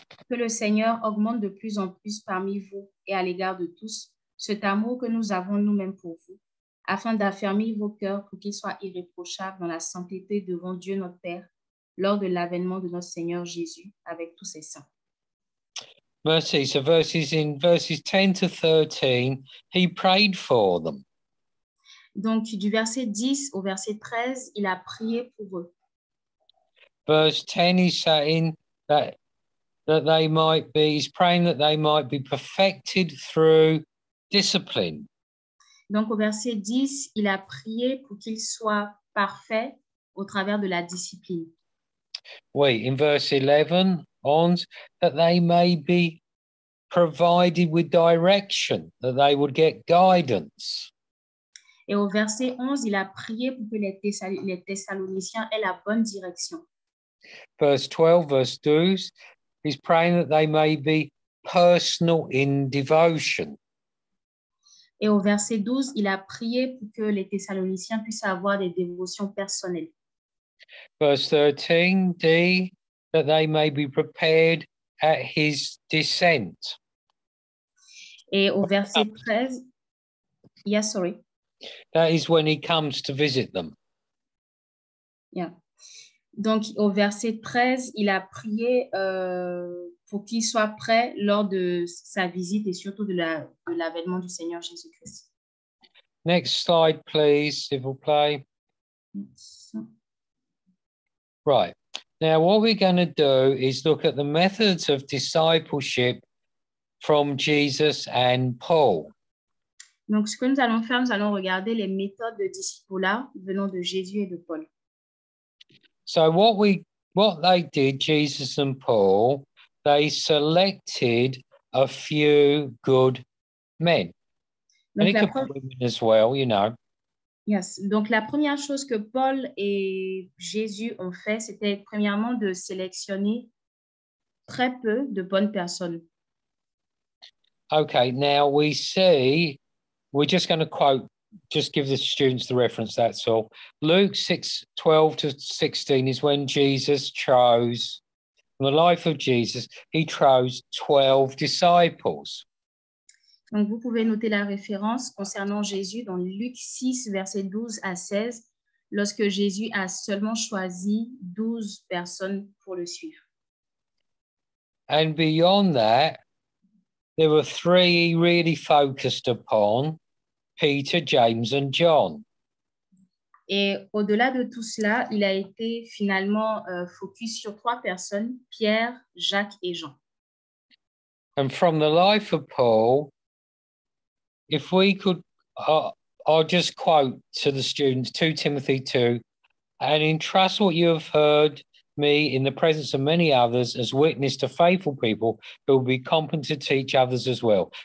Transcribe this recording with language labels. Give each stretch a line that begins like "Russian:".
French: Que le Seigneur augmente de plus en plus parmi vous et à l'égard de tous cet amour que nous avons nous-mêmes pour vous, afin d'affermir vos cœurs pour qu'ils soient irréprochables dans la sainteté devant Dieu notre Père lors de l'avènement de notre Seigneur Jésus avec tous ses saints.
English: Merci. So verses 10 to 13, he prayed for them.
French: Donc, du verset 10 au verset 13, il a prié pour eux.
English: Verse 10, he's saying that they might be, he's praying that they might be perfected through discipline.
French: Donc, au verset 10, il a prié pour qu'ils soient parfaits au travers de la discipline.
English: Oui, in verse 11, on, that they may be provided with direction, that they would get guidance.
French: Et au verset 11, il a prié pour que les Thessaloniciens aient la bonne direction.
English: Verse 12, verse 12, he's praying that they may be personal in devotion.
French: Et au verset 12, il a prié pour que les Thessaloniciens puissent avoir des dévotions personnelles.
English: Verse 13, D, that they may be prepared at his descent.
French: Et au verset 13,
English: yeah, sorry. That is when he comes to visit them. Yeah.
French: Donc, au verset 13, il a prié pour qu'il soit prêt lors de sa visite et surtout de l'avènement du Seigneur Jésus-Christ.
English: Next slide, please,
French: s'il vous plaît.
English: Right. Now, what we're going to do is look at the methods of discipleship from Jesus and Paul.
French: Donc, ce que nous allons faire, nous allons regarder les méthodes de discipulat venant de Jésus et de Paul.
English: So what they did, Jesus and Paul, they selected a few good men. Donc and a couple of women as well, you know. Yes.
French: Donc la première chose que Paul et Jésus ont fait, c'était premièrement de sélectionner très peu de bonnes personnes.
English: Okay, now we see, we're just going to quote, just give the students the reference, that's all. Luke 6, 12 to 16 is when Jesus chose, in the life of Jesus, he chose 12 disciples.
French: Donc, vous pouvez noter la référence concernant Jésus dans Luc 6, verset 12 à 16, lorsque Jésus a seulement choisi 12 personnes pour le suivre.
English: And beyond that, there were three he really focused upon, Peter, James, and John.
French: Et au-delà de tout cela, il a été finalement focus sur trois personnes, Pierre, Jacques et Jean.
English: And from the life of Paul, if we could, I'll just quote to the students, 2 Timothy 2, and entrust what you have heard me in the presence of many others as witness to faithful people who will be competent to teach others as well.